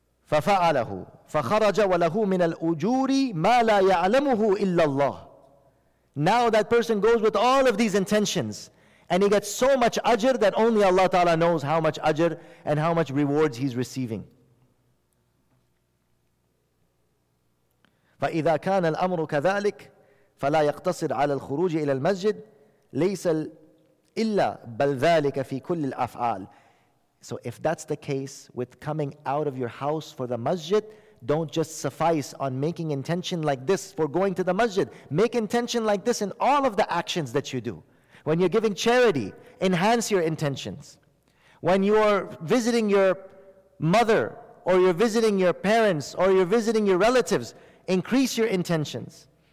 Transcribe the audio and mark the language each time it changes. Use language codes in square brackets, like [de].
[ar] فَفَعَلَهُ فَخَرَجَ وَلَهُ مِنَ الْأُجُورِ مَا لَا يَعْلَمُهُ إِلَّا اللَّهِ. [en] Now that person goes with all of these intentions, and he gets so much ajr that only Allah Ta'ala knows how much ajr and how much rewards he's receiving. [ar] فإذا كان الأمر كذلك فلا يقتصر على الخروج إلى المسجد ليس إلا بل ذلك في كل الأفعال. [en] So if that's the case with coming out of your house for the masjid, don't just suffice on making intention like this for going to the masjid. Make intention like this in all of the actions that you do. When you're giving charity, enhance your intentions. When you are visiting your mother, or you're visiting your parents, or you're visiting your relatives, increase your intentions.